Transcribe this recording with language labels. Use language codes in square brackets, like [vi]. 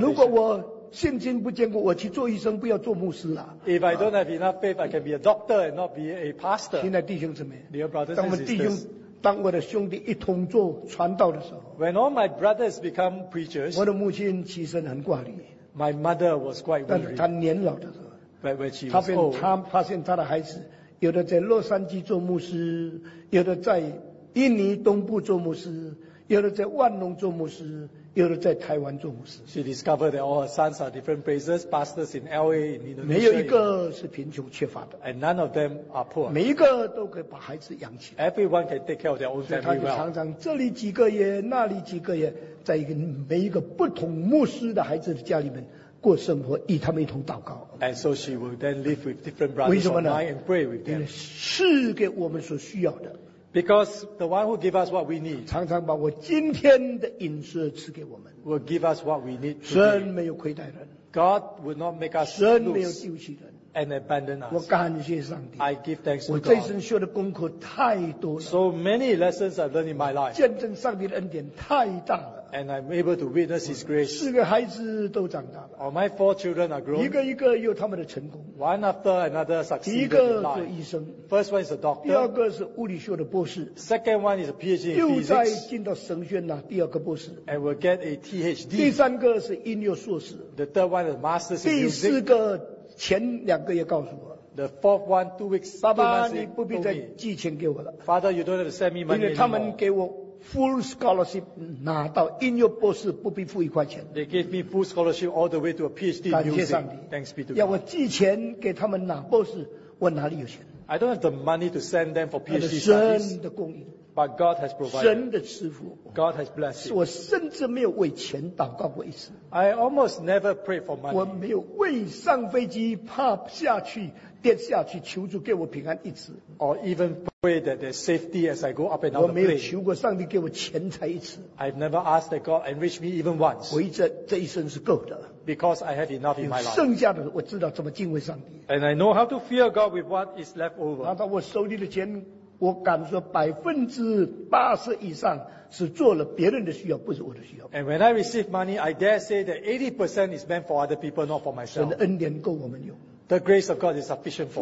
[zh] 如果我 信心不坚固, 我去做医生, 不要做牧师啊, [en] if I don't have enough faith, I can be a doctor and not be a pastor. [zh] 现在弟兄姊妹, [en] dear brothers and sisters, [zh] 当我的兄弟一同做传道的时候, [en] when all my brothers become preachers, [zh] 我的母亲其实很挂虑, [en] my mother was quite worried. [zh] 但她年老的时候, [en] but when she was [zh] 她变, [en] old, [zh] 她发现她的孩子, 有的在洛杉矶做牧师, 有的在印尼东部做牧师, 有的在万隆做牧师, 有的在台湾做牧师。 [en] She discovered that all her sons are different places, pastors in LA, in Indonesia. [zh] 没有一个是贫穷缺乏的。 [en] And none of them are poor. [zh] 每一个都可以把孩子养起来。 [en] Everyone can take care of their own family well. [zh] 所以他就常常这里几个月, 那里几个月, 在一个每一个不同牧师的孩子的家里面, 过生活, 与他们一同祷告。 [en] And so she will then live with different brothers of mine and pray with them. [zh] 是给我们所需要的。 [en] Because the one who gives us what we need [zh] 常常把我今天的饮食赐给我们, [en] will give us what we need. [zh] 神没有亏待人, [en] God will not make us [zh] 神没有丢弃人, [en] and abandon us. [zh] 我感谢上帝, [en] I give thanks to [zh] 我这一生学的功课太多了, [en] God. So many lessons I've learned in my life. [zh] 见证上帝的恩典太大了, [en] and I'm able to witness his grace. [zh] 四个孩子都长大了, [en] all my four children are grown. [zh] 一个一个有他们的成功, [en] one after another succeeded in life. [zh] 一个做医生, [en] first one is a doctor. [zh] 第二个是物理学的博士, [en] second one is a PhD in physics. [zh] 又再进到神学呢, 第二个博士, [en] and will get a THD. [zh] 第三个是音乐硕士, [en] the third one is a master's in music. [zh] 第四个前两个也告诉我, [en] the fourth one, 2 weeks, [zh] 爸爸你不必再寄钱给我了, [en] father, you don't have to send me money anymore. Full scholarship, [zh] 拿到音乐博士不必付一块钱。 [en] They gave me full scholarship all the way to a PhD in music. Thanks be to God. [zh] 要我寄钱给他们拿博士, 我哪里有钱? [en] I don't have the money to send them for PhD studies. [zh] 神的供应, [en] but God has provided. [zh] 神的赐福, [en] God has blessed. [zh] 我甚至没有为钱祷告过一次。 [en] I almost never pray for money. [zh] 我没有为上飞机怕下去, 跌下去, 求助给我平安一次。 [en] Or even pray that there's safety as I go up and down the plane. [zh] 我没有求过上帝给我钱财一次。 [en] I've never asked that God enrich me even once. [zh] 我一直这一生是够的。 [en] Because I have enough in my life. [zh] 剩下的我知道怎么敬畏上帝。 [en] And I know how to fear God with what is left over. [zh] 拿到我手里的钱, 我敢说 80%以上 是做了别人的需要, 不是我的需要。 [en] And when I receive money, I dare say that 80% is meant for other people, not for myself. [zh] 神的恩典够我们用。 [en] The grace of God is sufficient for